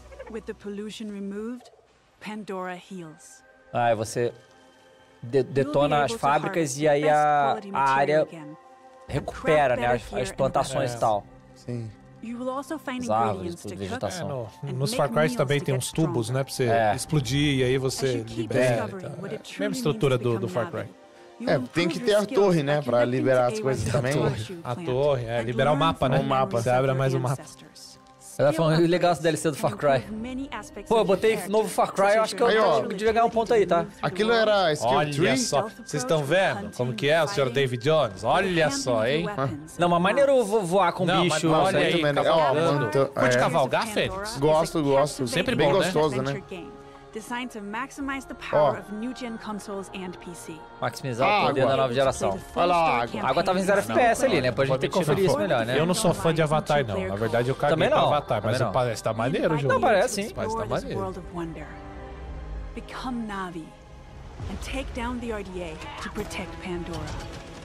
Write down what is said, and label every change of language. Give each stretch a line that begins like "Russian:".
English: With the pollution removed, Pandora heals.
Portuguese: Ah, você detona as fábricas e aí a área recupera, né? As plantações e tal. Sim.
English: You will also find
Portuguese: as árvores, tudo, vegetação. Nos Far Cry também tem uns tubos, né? Pra você explodir e aí você libera e tal. Mesma estrutura do Far Cry. É, tem que ter a torre, né? Pra liberar as coisas também. A torre, é. Liberar o mapa, né? O mapa. Você abre mais um mapa. Ela falou legal esse DLC do Far Cry. Pô, eu botei novo Far Cry, eu acho que eu devia ganhar um ponto aí, tá? Aquilo era skill tree? Olha só, vocês estão vendo como que é o Sr. David Jones? Olha só, hein? Não, mas maneiro voar com bicho. Não, olha aí, cavalgando. Pode cavalgar, Fênix? Gosto. Sempre bem bom, gostoso, né?
English: Designed to maximize the power of new gen consoles and PC.
Portuguese: Maximizar o poder da nova geração. Olha lá, a água tava em 0 FPS ali, né? Pode a gente ter que conferir isso melhor, né? Eu não sou fã de Avatar, não. Na verdade, eu caguei pra Avatar, mas parece tá maneiro o jogo. Não, parece sim. Parece tá maneiro.
English: Become Navi and take down the RDA to protect Pandora.